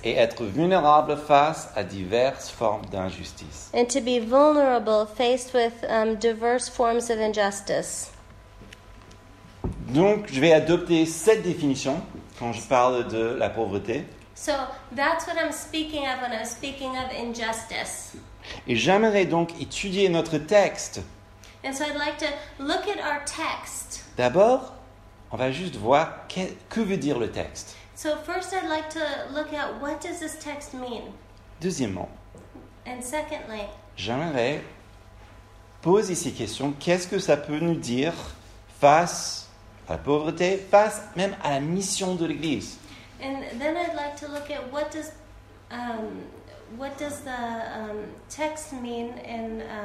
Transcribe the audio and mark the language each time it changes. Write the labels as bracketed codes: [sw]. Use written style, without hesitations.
[fr] Et être vulnérable face à diverses formes d'injustice. [en] And to be vulnerable faced with diverse forms of injustice. [fr] Donc, je vais adopter cette définition quand je parle de la pauvreté. [en] So, that's what I'm speaking of when I'm speaking of injustice. [fr] Et j'aimerais donc étudier notre texte. [en] And so I'd like to look at our text. [fr] D'abord, on va juste voir que veut dire le texte. [en] So first I'd like to look at what does this text mean. [fr] Deuxièmement. [en] And secondly. [fr] J'aimerais poser ces questions. Qu'est-ce que ça peut nous dire face à la pauvreté, face même à la mission de l'Église? [en] And then I'd like to look at what does the text mean in